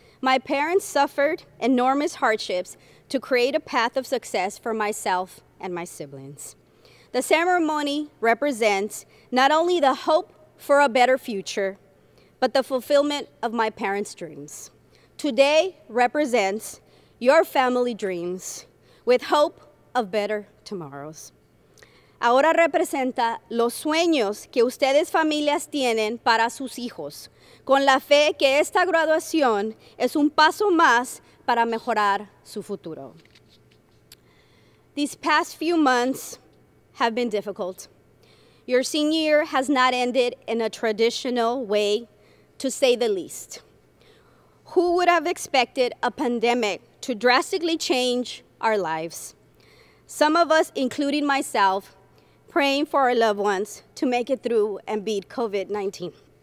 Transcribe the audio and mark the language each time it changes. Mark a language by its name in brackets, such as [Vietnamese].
[English] My parents suffered enormous hardships to create a path of success for myself and my siblings. The ceremony represents not only the hope for a better future, but the fulfillment of my parents' dreams. Today represents your family dreams with hope of better tomorrows. [Spanish] Ahora representa los sueños que ustedes familias tienen para sus hijos, con la fe que esta graduación es un paso más para mejorar su futuro. [English] These past few months have been difficult. Your senior year has not ended in a traditional way, to say the least. Who would have expected a pandemic to drastically change our lives? Some of us, including myself, praying for our loved ones to make it through and beat COVID-19.